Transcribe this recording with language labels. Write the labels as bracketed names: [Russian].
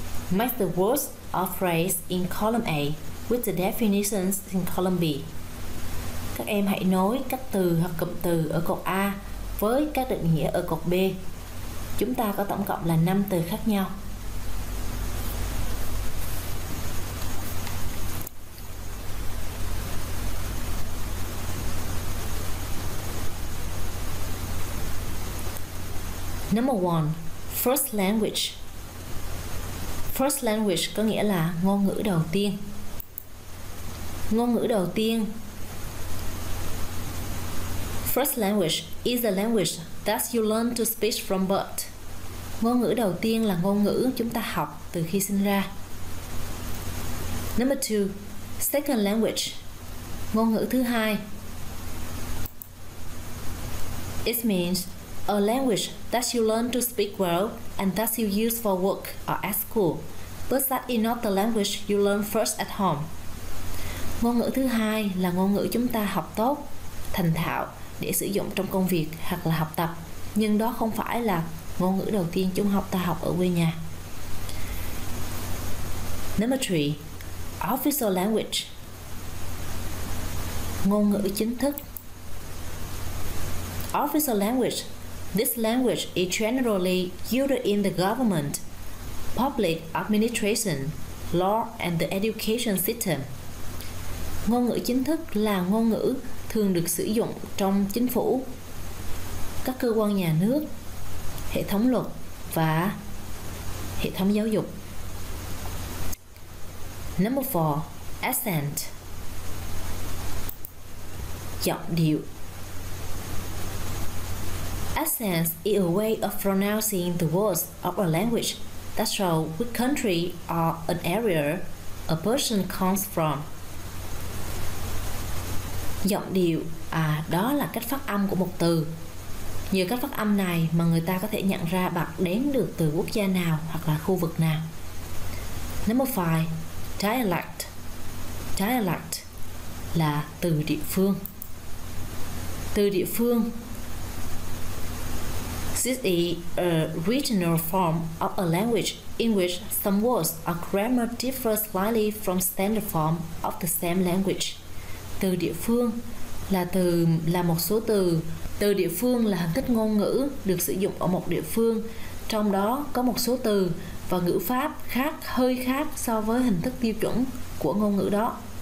[English] Match the words or phrase in column A with the definitions in column B. [Vietnamese] Các em hãy nối các từ hoặc cụm từ ở cột A với các định nghĩa ở cột B. Chúng ta có tổng cộng là 5 từ khác nhau. [English] Number 1. First language. First language [Vietnamese] có nghĩa là ngôn ngữ đầu tiên. Ngôn ngữ đầu tiên. [English] First language is the language that you learn to speak from birth. [Vietnamese] Ngôn ngữ đầu tiên là ngôn ngữ chúng ta học từ khi sinh ra. [English] Number 2. Second language. [Vietnamese] Ngôn ngữ thứ hai. [English] It means a language that you learn to speak well and that you use for work or at school, but that is not the language you learn first at home. [Vietnamese] Ngôn ngữ thứ hai là ngôn ngữ chúng ta học tốt, thành thạo để sử dụng trong công việc hoặc là học tập, nhưng đó không phải là ngôn ngữ đầu tiên chúng ta học ở quê nhà. [English] Number 3. Official language. [Vietnamese] Ngôn ngữ chính thức. [English] Official language. This language is generally used in the government, public administration, law and the education system. [Vietnamese] Ngôn ngữ chính thức là ngôn ngữ thường được sử dụng trong chính phủ, các cơ quan nhà nước, hệ thống luật và hệ thống giáo dục. [English] Number 4. Accent. [Vietnamese] Giọng điệu. [English] Accent is a way of pronouncing the words of a language that show which country or an area a person comes from. [Vietnamese] Giọng điệu, đó là cách phát âm của một từ. Nhờ cách phát âm này mà người ta có thể nhận ra bạn đến được từ quốc gia nào hoặc là khu vực nào. [English] Number 5. Dialect. [Vietnamese] Dialect là từ địa phương. Từ địa phương. [English] This is a regional form of a language in which some words or grammar differ slightly from standard form of the same language. [Vietnamese] Từ địa phương là một số từ. Từ địa phương là hình thức ngôn ngữ được sử dụng ở một địa phương. Trong đó có một số từ và ngữ pháp khác, hơi khác so với hình thức tiêu chuẩn của ngôn ngữ đó.